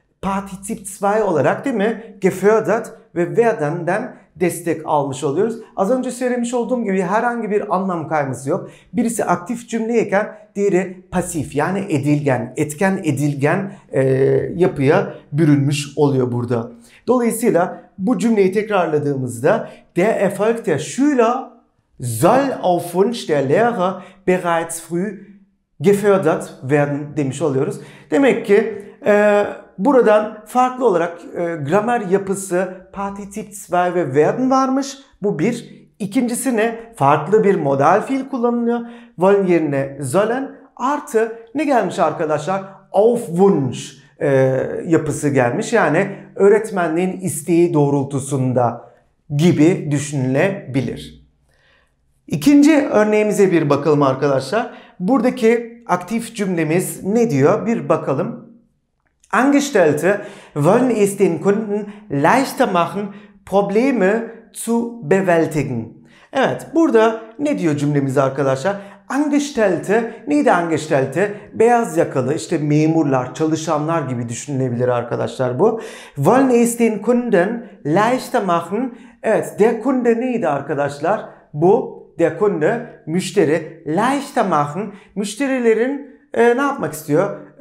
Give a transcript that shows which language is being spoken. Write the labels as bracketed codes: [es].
[tr] Partizip 2 olarak, değil mi? Gefördert ve werden'den destek almış oluyoruz. Az önce söylemiş olduğum gibi herhangi bir anlam kayması yok. Birisi aktif cümleyken diğeri pasif, yani edilgen, etken edilgen yapıya bürünmüş oluyor burada. Dolayısıyla bu cümleyi tekrarladığımızda [de] Der Erfolg der Schüler soll auf Wunsch der Lehrer bereits früh gefördert werden [tr] demiş oluyoruz. Demek ki buradan farklı olarak gramer yapısı Partizip 2 ve werden varmış. Bu bir. İkincisi ne? Farklı bir modal fiil kullanılıyor. Wollen yerine sollen. Artı ne gelmiş arkadaşlar? Auf Wunsch yapısı gelmiş. Yani öğretmenliğin isteği doğrultusunda gibi düşünülebilir. İkinci örneğimize bir bakalım arkadaşlar. Buradaki aktif cümlemiz ne diyor? Bir bakalım. [de] Angestellte wollen es den Kunden leichter machen, Probleme zu bewältigen. [tr] Evet, burada ne diyor cümlemiz arkadaşlar? Angestellte, neydi angestellte? Beyaz yakalı, işte memurlar, çalışanlar gibi düşünülebilir arkadaşlar bu. [de] Wollen es den Kunden leichter machen. [tr] Evet, der Kunde neydi arkadaşlar? Bu, der Kunde, müşteri. Leichter machen, müşterilerin ne yapmak istiyor?